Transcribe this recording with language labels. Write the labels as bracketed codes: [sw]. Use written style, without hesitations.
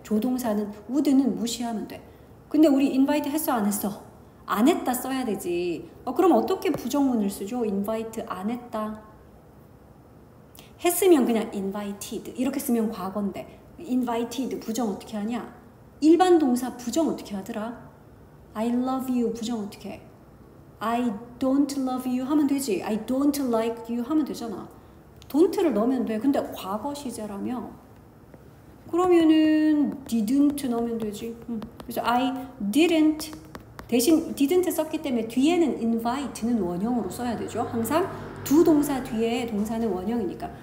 [ko] 조동사는 would는 무시하면 돼. 근데 우리 invite 했어 안 했어? 안 했다 써야 되지. 그럼 어떻게 부정문을 쓰죠? invite 안 했다. 했으면 그냥 invited. 이렇게 쓰면 과거인데. invited 부정 어떻게 하냐? 일반 동사 부정 어떻게 하더라? [en] I love you [ko] 부정 어떻게 해? [en] I don't love you [ko] 하면 되지. [en] I don't like you 하면 되잖아. [ko] don't를 넣으면 돼. 근데 과거 시제라면 그러면은 didn't 넣으면 되지. 그래서 I didn't 대신 didn't 썼기 때문에 뒤에는 invite는 원형으로 써야 되죠. 항상 두 동사 뒤에 동사는 원형이니까.